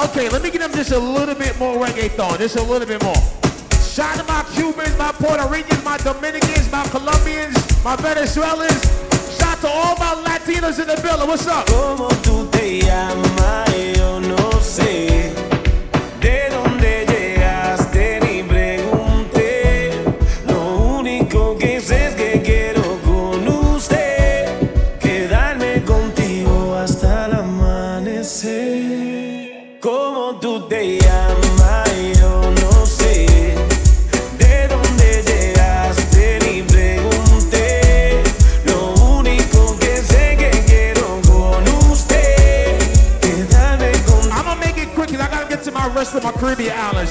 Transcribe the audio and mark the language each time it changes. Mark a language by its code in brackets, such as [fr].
[en] Okay, let me get them just a little bit more reggaeton. Just a little bit more. Shout out to my Cubans, my Puerto Ricans, my Dominicans, my Colombians, my Venezuelans. Shout out to all my Latinos in the building. What's up? [es] Como tú te llamas, yo no sé. De dónde llegaste ni pregunté. Lo único que sé es que quiero con usted quedarme contigo hasta el amanecer. ¿Cómo tú te llamas? Yo no sé. De dónde llegaste ni pregunté. Lo único que sé es que quiero con usted quedarme contigo. [en] I'm gonna make it quick and I gotta get to my rest of my Caribbean islands.